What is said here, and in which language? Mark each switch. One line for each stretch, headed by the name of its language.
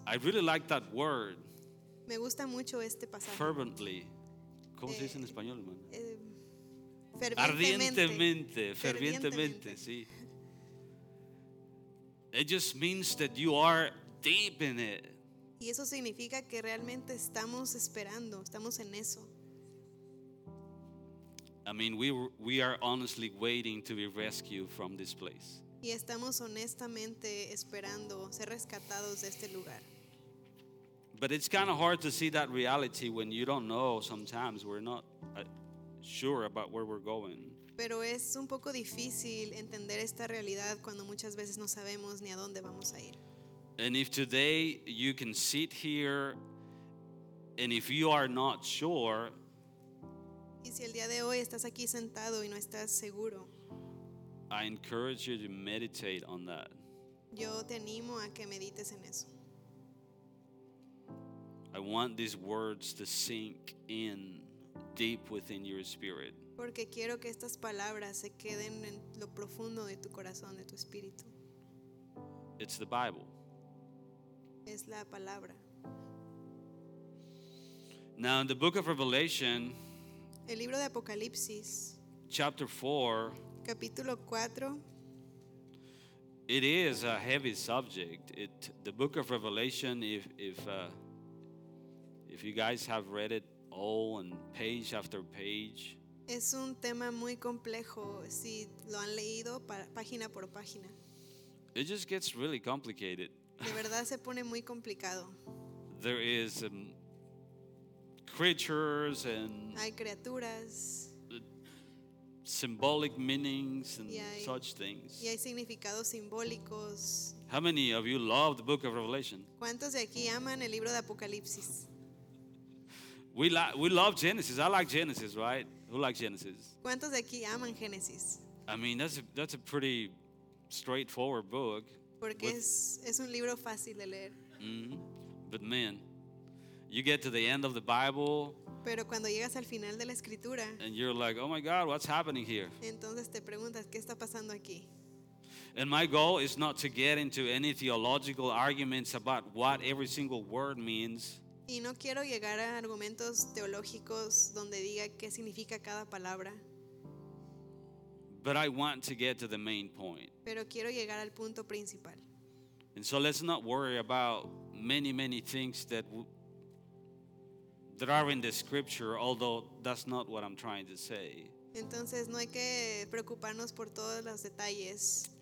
English: I really like that word.
Spanish: Me gusta mucho este pasaje. Fervently. ¿Cómo se dice en español, hermano? Fervientemente. Ardientemente, sí.
English: It just means that you are deep in it.
Spanish: Y eso significa que realmente estamos esperando, estamos en eso.
English: I mean, we are honestly waiting to be rescued from this place.
Spanish: Y estamos honestamente esperando ser rescatados de este lugar.
English: But it's kind of hard to see that reality when you don't know. Sometimes we're not sure about where we're going.
Spanish: Pero es un poco difícil entender esta realidad cuando muchas veces no sabemos ni a dónde vamos a ir.
English: And if today you can sit here, and if you are not sure,
Spanish: y si el día de hoy estás aquí sentado y no estás seguro,
English: I encourage you to meditate on that.
Spanish: Yo te animo a que medites en eso.
English: I want these words to sink in deep within your spirit.
Spanish: Porque quiero que estas palabras se queden en lo profundo de tu corazón, de tu espíritu.
English: It's the Bible.
Spanish: Es la palabra.
English: Now in the book of Revelation,
Spanish: el libro de Apocalipsis,
English: chapter 4,
Spanish: capítulo 4,
English: it is a heavy subject. The book of Revelation, if you guys have read it all and page after page,
Spanish: es un tema muy complejo si lo han leído página por página.
English: It just gets really complicated.
Spanish: De verdad se pone muy complicado.
English: There is creatures and
Spanish: hay criaturas,
English: symbolic meanings and such things.
Spanish: Y hay significados simbólicos.
English: How many of you love the book of Revelation?
Spanish: ¿Cuántos de aquí aman el libro de Apocalipsis?
English: We love Genesis. I like Genesis, right? Who likes Genesis?
Spanish: ¿Cuántos de aquí aman Génesis?
English: I mean, that's a pretty straightforward book.
Spanish: Porque es un libro fácil de leer. Mm-hmm.
English: But man, you get to the end of the Bible.
Spanish: Pero cuando llegas al final de la escritura.
English: And you're like, oh my God, what's happening here?
Spanish: Entonces te preguntas, ¿qué está pasando aquí?
English: And my goal is not to get into any theological arguments about what every single word means.
Spanish: Y no quiero llegar a argumentos teológicos donde diga qué significa cada palabra.
English: But I want to get to the main point.
Spanish: Pero quiero llegar al punto principal.
English: And so let's not worry about many, many things that are in the scripture, although that's not what I'm trying to say.
Spanish: Entonces no hay que preocuparnos por todos los detalles.